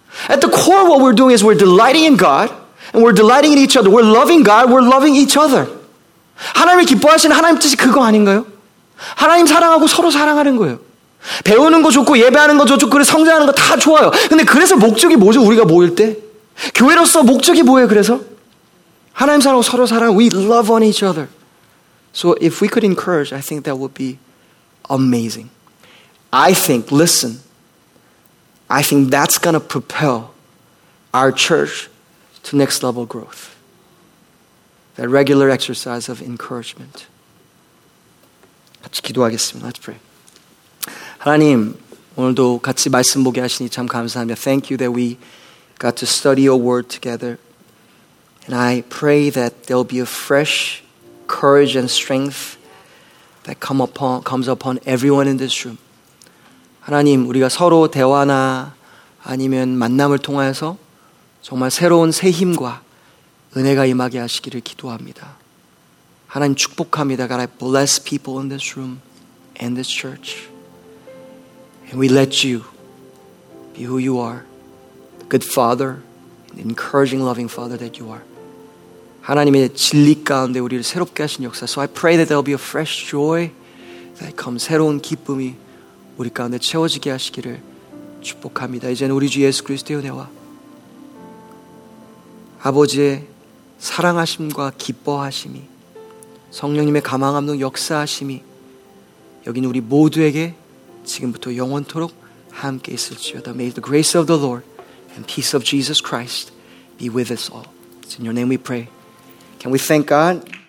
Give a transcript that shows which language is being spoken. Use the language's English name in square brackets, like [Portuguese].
[English] At the core, what we're doing is we're delighting in God, and we're delighting in each other. We're loving God, we're loving each other. [Korean] 하나님이 기뻐하시는 하나님 뜻이 그거 아닌가요? 하나님 사랑하고 서로 사랑하는 거예요. 배우는 거 좋고, 예배하는 거 좋고, 그리고 성장하는 거 다 좋아요. 근데 그래서 목적이 뭐죠, 우리가 모일 때? 교회로서 목적이 뭐예요, 그래서? 하나님 사랑하고 서로 사랑하고, [English] we love on each other. So if we could encourage, I think that would be amazing. I think, listen, I think that's going to propel our church to next level growth. That regular exercise of encouragement. [Korean] 같이 기도하겠습니다. [English] Let's pray. [Korean] 하나님, 오늘도 같이 말씀 보게 하시니 참 감사합니다. [English] Thank you that we got to study your word together. And I pray that there will be a fresh courage and strength that comes upon everyone in this room. [Korean] 하나님, 우리가 서로 대화나 아니면 만남을 통해서 정말 새로운 새 힘과 은혜가 임하게 하시기를 기도합니다. 하나님 축복합니다. [English] God, I bless people in this room and this church. And we let you be who you are, the good father, the encouraging, loving father that you are. [Korean] 하나님의 진리 가운데 우리를 새롭게 하신 역사. [English] So I pray that there will be a fresh joy that comes, [Korean] 새로운 기쁨이 우리 가운데 채워지게 하시기를 축복합니다. 이제는 우리 주 예수 그리스도의 은혜와 아버지의 사랑하심과 기뻐하심이 성령님의 감화감동 역사하심이 여긴 우리 모두에게 지금부터 영원토록 함께 있을지어다. [English] May the grace of the Lord and peace of Jesus Christ be with us all. It's in your name we pray. Can we thank God?